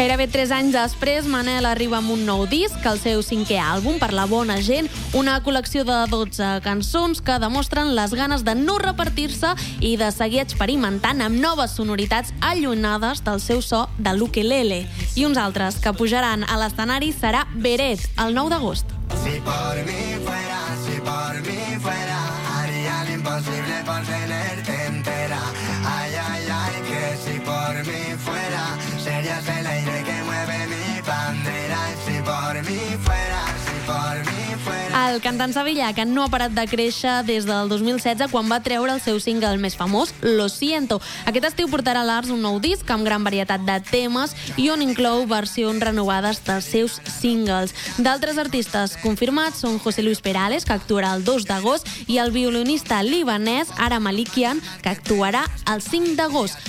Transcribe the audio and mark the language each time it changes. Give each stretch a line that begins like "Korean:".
Catalan: Gairebé 3 anys després, Manel arriba amb un nou disc, el seu 5è àlbum, Per la bona gent, una col·lecció de 12 cançons que demostren les ganes de no repartir-se i de seguir experimentant amb noves sonoritats allunyades del seu so de l'ukelele. I uns altres que pujaran a l'escenari serà Beret, el 9 d'agost.
Spanish: Si por mi fuera, si por mi fuera, haría lo imposible por tenerte entera. Ay, ay, ay, que si por mi fuera, serías el aire que mueve mi bandera. Si por mi fuera, si por mi fuera.
Catalan: El cantant sevillà, que no ha parat de créixer des del 2016, quan va treure el seu single més famós, Lo Siento. Aquest estiu portarà a l'Arts un nou disc amb gran varietat de temes i on inclou versions renovades dels seus singles. D'altres artistes confirmats són José Luis Perales, que actuarà el 2 d'agost, i el violinista libanès Aram Malikian, que actuarà el 5 d'agost.